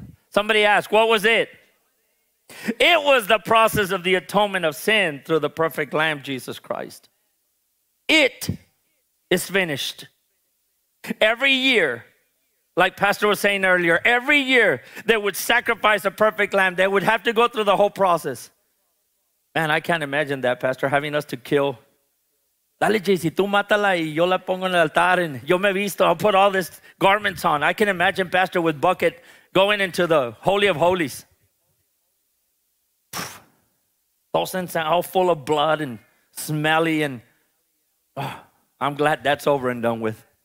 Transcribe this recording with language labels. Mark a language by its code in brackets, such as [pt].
[en] Somebody asked, what was it? It was the process of the atonement of sin through the perfect Lamb, Jesus Christ. It is finished. Every year, like Pastor was saying earlier, every year they would sacrifice a perfect Lamb. They would have to go through the whole process. Man, I can't imagine that, Pastor, having us to kill. [es] Dale, JC, tú mátala y yo la pongo en el altar. Y yo me visto, [en] I'll put all these garments on. I can imagine Pastor with bucket going into the Holy of Holies. All full of blood and smelly and I'm glad that's over and done with.